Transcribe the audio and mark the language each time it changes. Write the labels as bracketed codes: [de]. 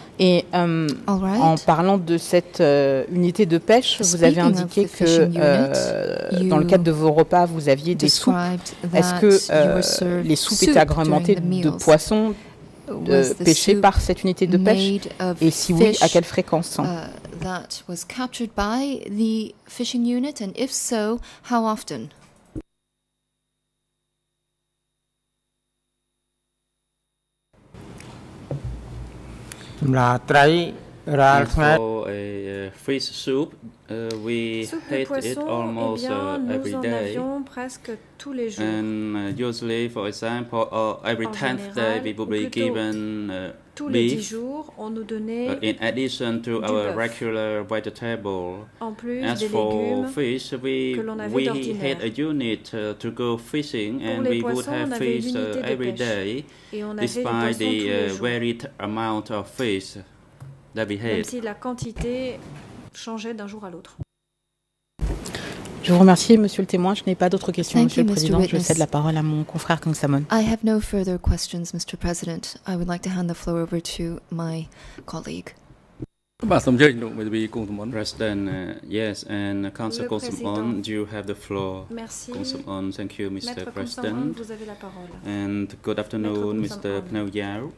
[fr] Et en parlant de cette unité de pêche, vous avez indiqué que dans le cadre de vos repas, vous aviez des soupes. Est-ce que les soupes étaient agrémentées de poissons pêché par cette unité de pêche, et si oui, à quelle fréquence? [en] That was captured by the fishing unit, and if so, how often? Fish soup, we had it almost every day. And usually, for example, every 10th day, we would be given beef. In addition to our regular vegetable, as for fish, we had a unit to go fishing, and we would have fish every day, despite the varied amount of fish. [fr] Même si la quantité changeait d'un jour à l'autre. Je vous remercie, Monsieur le témoin. Je n'ai pas d'autres questions, Monsieur le Président. Je cède la parole à mon confrère Kang Samon. [en] I have no further questions, Mr. President. I would like to hand the floor over to my colleague. President, yes, and Councilor Kang Samon, you have the floor. [fr] Merci. [en] Kang Samon, thank you, Mr. President. [fr] Vous avez la parole. [en] And good afternoon, Mr. PHNEU Yav.